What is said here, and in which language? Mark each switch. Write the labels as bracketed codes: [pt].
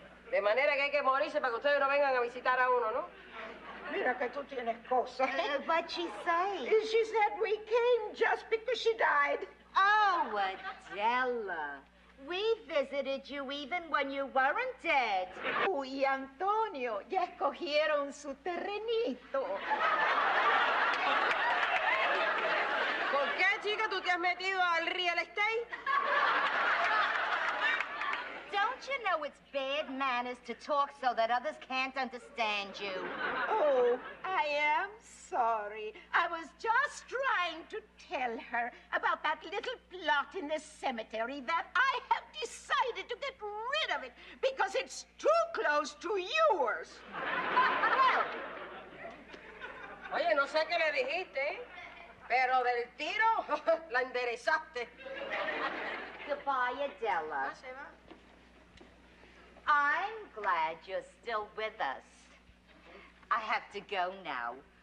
[es] De manera que hay que morirse para que ustedes no vengan a visitar a uno, ¿no? Mira que tú tienes cosas. [en] What she say? She said we came just because she died. Oh, Adela. We visited you even when you weren't dead. [es] Uy, Antonio, ya escogieron su terrenito. ¿Por qué, chica, tú te has metido al real estate? [en] Don't you know it's bad manners to talk so that others can't understand you? Oh, I am sorry. I was just trying to tell her about that little plot in the cemetery that I have decided to get rid of it because it's too close to yours. [es] Oye, no sé qué le dijiste, pero del tiro la enderezaste. [en] Goodbye, Adela. [es] Ah, se va. [en] I'm glad you're still with us. I have to go now.